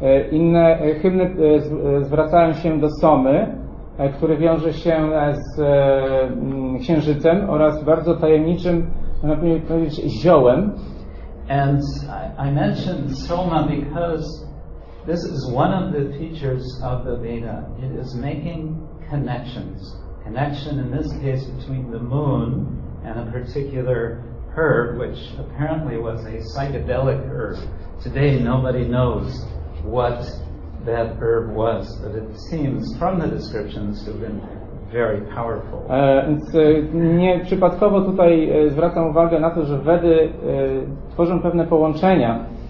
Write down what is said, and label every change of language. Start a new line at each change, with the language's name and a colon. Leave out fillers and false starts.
Polish: Inne hymny zwracają się do Somy, który wiąże się z księżycem oraz bardzo tajemniczym, można powiedzieć, ziołem.
English: And I mentioned Soma because this is one of the features of the Veda. It is making connections. Connection in this case between the moon and a particular herb, which apparently was a psychedelic herb. Today nobody knows what that herb was, but it seems from the descriptions to have been very powerful.
Polish: Więc nie przypadkowo tutaj zwracam uwagę na to, że Wedy tworzą pewne połączenia.